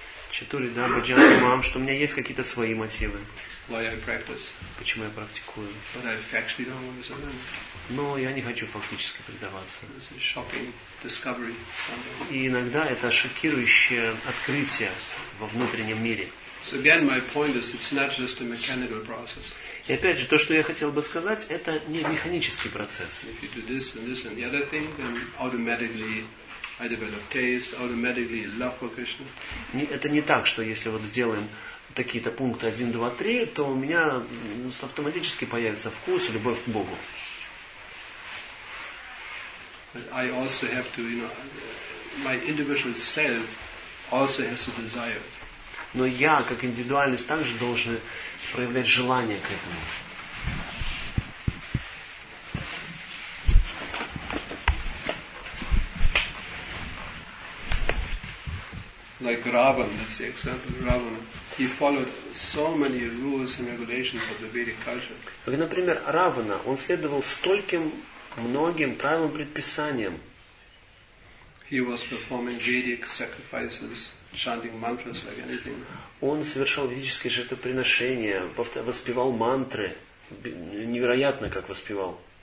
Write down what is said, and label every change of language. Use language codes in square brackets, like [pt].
[sa] Чатури даба джанди мам, [ru] что у меня есть какие-то свои мотивы. [en] Why I practice. [ru] Почему я практикую? [en] But I factually don't want to surrender. [ru] Но я не хочу фактически предаваться. [en] It's a shocking discovery. [ru] И иногда это шокирующее открытие во внутреннем мире. [en] So again, my point is, it's not just a mechanical process. [ru] И опять же, то, что я хотел бы сказать, это не механический процесс. [en] If you do this and this and the other thing, then automatically I develop taste, automatically love for Krishna. [ru] Это не так, что если вот сделаем такие-то пункты 1, 2, 3, то у меня автоматически появится вкус и любовь к Богу. [en] But I also have to, you know, my individual self also has a desire. [ru] Но я, как индивидуальность, также должен проявлять желание к этому. [en] Like Ravana, that's the example of Ravana. He followed so many rules and regulations of the Vedic culture. [ru] Как, например, Равана, он следовал стольким многим правилам предписаниям. [en] He was performing Vedic sacrifices, chanting mantras like anything. [ru] Он совершал ведические жертвоприношения, воспевал мантры, невероятно как воспевал.